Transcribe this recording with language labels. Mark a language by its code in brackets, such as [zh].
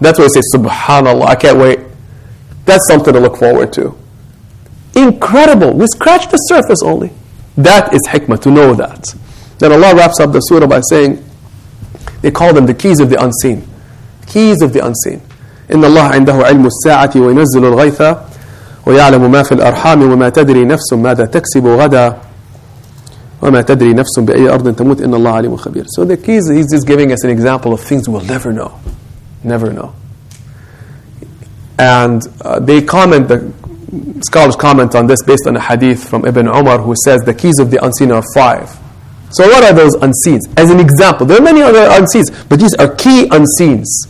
[en] That's why I say Subhanallah. I can't wait. That's something to look forward to. Incredible. We scratched the surface only. That is hikmah, to know that. Then Allah wraps up the surah by saying, they call them the keys of the unseen. Keys of the unseen. [ar] إن الله عنده علم الساعة وينزل الغيث ويعلم ما في الأرحام وما تدري نفس ماذا تكسب غدا وما تدري نفس بأي أرض تموت إن الله عليم خبير. [en] So the key is he's just giving us an example of things we'll never know. Never know. And they comment, the scholars comment on this based on a hadith from Ibn Umar who says the keys of the unseen are five. So what are those unseens? As an example, there are many other unseens, but these are key unseens.